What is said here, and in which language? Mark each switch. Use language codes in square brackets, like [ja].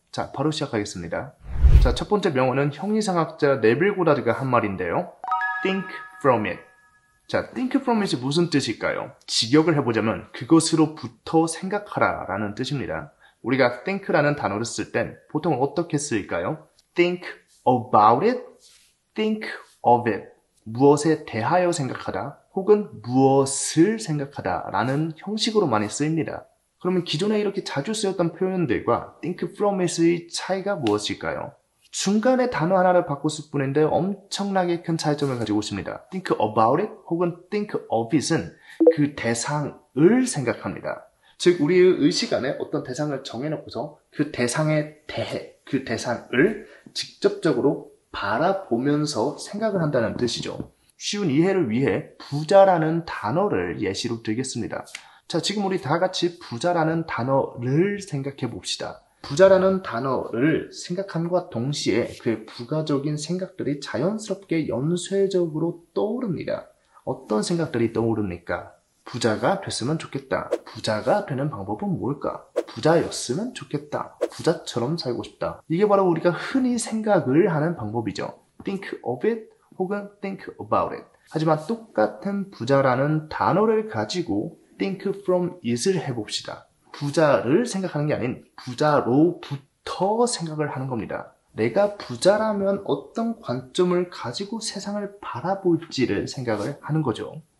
[ko] 자, 바로 시작하겠습니다. 자, 첫 번째 명언은 형이상학자 네빌 고다드가 한 말인데요. [en] Think from it. [ko] 자, [en] think from it [ko] 이 무슨 뜻일까요? 직역을 해보자면 그것으로부터 생각하라 라는 뜻입니다. 우리가 think라는 단어를 쓸땐 보통 어떻게 쓰일까요? [en] Think about it, think of it. [ko] 무엇에 대하여 생각하다 혹은 무엇을 생각하다 라는 형식으로 많이 쓰입니다. 그러면 기존에 이렇게 자주 쓰였던 표현들과 [en] think from it [ko] 의 차이가 무엇일까요? 중간에 단어 하나를 바꿨을 뿐인데 엄청나게 큰 차이점을 가지고 있습니다. [en] Think about it [ko] 혹은 [en] think of it은 [ko] 그 대상을 생각합니다. 즉, 우리의 의식 안에 어떤 대상을 정해놓고서 그 대상에 대해, 그 대상을 직접적으로 바라보면서 생각을 한다는 뜻이죠. 쉬운 이해를 위해 부자라는 단어를 예시로 드리겠습니다. 자, 지금 우리 다 같이 부자라는 단어를 생각해 봅시다. 부자라는 단어를 생각함과 동시에 그의 부가적인 생각들이 자연스럽게 연쇄적으로 떠오릅니다. 어떤 생각들이 떠오릅니까? 부자가 됐으면 좋겠다. 부자가 되는 방법은 뭘까? 부자였으면 좋겠다. 부자처럼 살고 싶다. 이게 바로 우리가 흔히 생각을 하는 방법이죠. [en] Think of it [ko] 혹은 [en] think about it. [ko] 하지만 똑같은 부자라는 단어를 가지고 [en] think from it [ko] 을 해봅시다. 부자를 생각하는 게 아닌 부자로부터 생각을 하는 겁니다. 내가 부자라면 어떤 관점을 가지고 세상을 바라볼지를 생각을 하는 거죠.